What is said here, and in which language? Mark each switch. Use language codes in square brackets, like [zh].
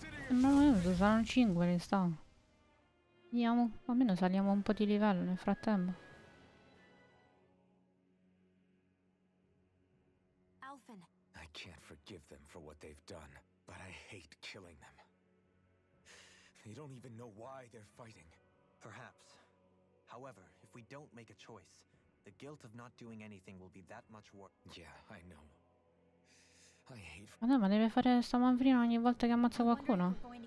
[it] Ma no, saranno 5 le sta. Andiamo, almeno saliamo un po' di livello nel frattempo. Alfin. [en] I can't forgive them for what they've done, but I hate killing them. They don't even know why they're fighting. Perhaps. However, if we don't make a choice, the guilt of not doing anything will be that much worse. Yeah, I know. I hate. [it] Ma no, ma deve fare sta manfrina ogni volta che ammazza qualcuno.